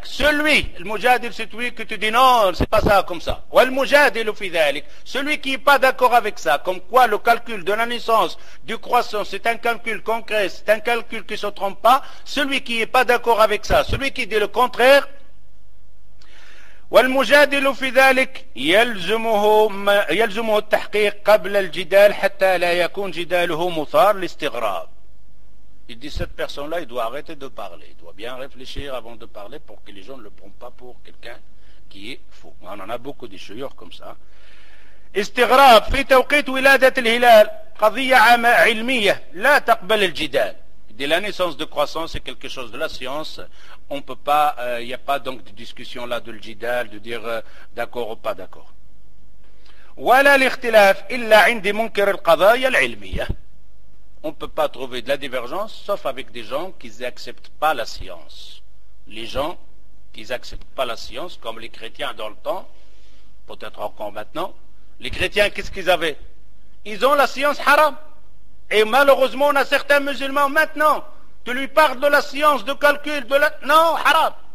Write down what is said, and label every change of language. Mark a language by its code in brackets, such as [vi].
[fr] Celui, le mujadil c'est lui que tu dis non, c'est pas ça comme ça. [ar] Wal mujadil fidalik. [fr] Celui qui n'est pas d'accord avec ça, comme quoi le calcul de la naissance du croissant, c'est un calcul concret, c'est un calcul qui ne se trompe pas, celui qui n'est pas d'accord avec ça, celui qui dit le contraire, [ar] والمجادل في ذلك يلزمه يلزمه التحقيق قبل الجدال حتى لا يكون جداله مثار للاستغراب. [fr] Il dit, cette personne-là, il doit arrêter de parler. Il doit bien réfléchir avant de parler pour que les gens ne le prennent pas pour quelqu'un qui est fou. On en a beaucoup de chouyurs comme ça. [ar] استغراب في توقيت ولادة الهلال قضية عامة علمية لا تقبل الجدال. [fr] De la naissance de croissance c'est quelque chose de la science. On peut pas, y a pas donc de discussion là de l'jidal, de dire d'accord ou pas d'accord. [ar] ولا الاختلاف إلا عند منكر القضايا العلمية. [fr] On peut pas trouver de la divergence sauf avec des gens qui n'acceptent pas la science. Les gens qui n'acceptent pas la science, comme les chrétiens dans le temps, peut-être encore maintenant. Les chrétiens, qu'est-ce qu'ils avaient? Ils ont la science haram. Et malheureusement, on a certains musulmans maintenant. Tu lui parles de la science, de calcul, de la... Non, haram.